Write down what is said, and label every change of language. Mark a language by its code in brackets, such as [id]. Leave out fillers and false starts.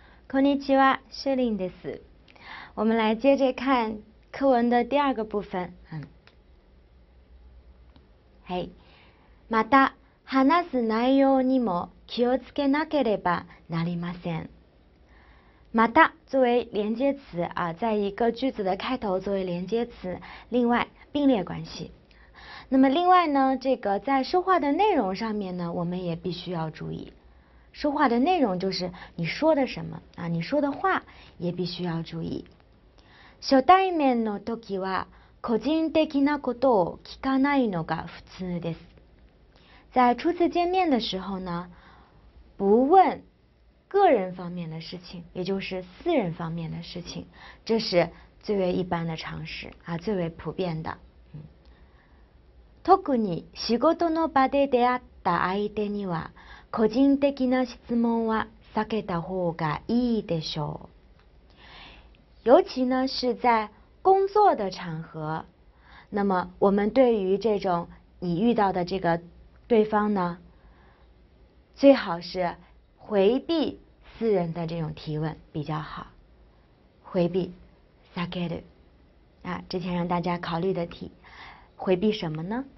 [ja] こんにちは、シュリンです。 [zh] 我们来接着看课文的第二个部分。 [ja] はい。また話す内容にも気をつけなければなりません。 [zh] また作为连接词啊，在一个句子的开头作为连接词，另外并列关系。那么另外呢，这个在说话的内容上面呢，我们也必须要注意。说话的内容就是你说的什么啊，你说的话也必须要注意。 [ja] 初対面の時は個人的なことを聞かないのが普通です。 [zh] 在初次见面的时候呢，不问个人方面的事情，也就是私人方面的事情，这是最为一般的常识啊，最为普遍的。 [ja] 特に仕事の場で出会った相手には個人的な質問は避けた方がいいでしょう。 [zh] 尤其呢是在工作的场合，那么我们对于这种你遇到的这个对方呢，最好是回避私人的这种提问比较好。回避，避ける。啊，之前让大家考虑的题，回避什么呢？